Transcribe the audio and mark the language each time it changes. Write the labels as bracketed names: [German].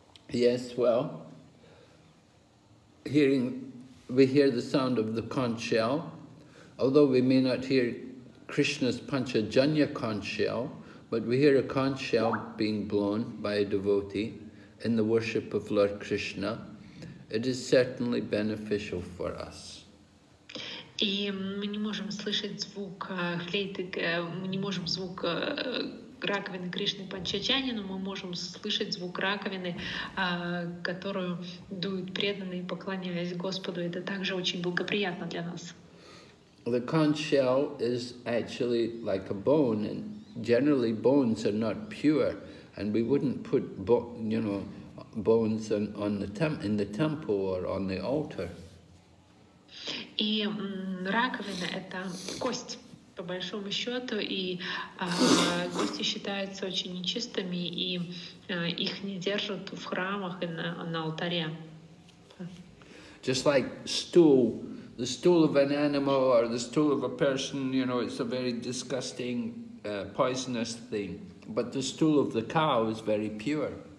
[English] Yes, well, we hear the sound of the conch shell, although we may not hear Krishna's Panchajanya conch shell, but we hear a conch shell being blown by a devotee in the worship of Lord Krishna, it is certainly beneficial for us. [Russian] И мы не можем слышать звук флейты, мы не можем звук раковины Кришны Панчачани, но мы можем слышать звук раковины, которую дуют преданные, поклоняясь Господу. Это также очень благоприятно для нас. [English] The conch shell is actually like a bone, and generally, bones are not pure, and we wouldn't put bones in the temple or on the altar. [Russian] И раковина это кость по большому счету, и кости считаются очень нечистыми, и их не держат в храмах и на алтаре. [English] Just like stool. The stool of an animal or the stool of a person, it's a very disgusting, poisonous thing. But the stool of the cow is very pure.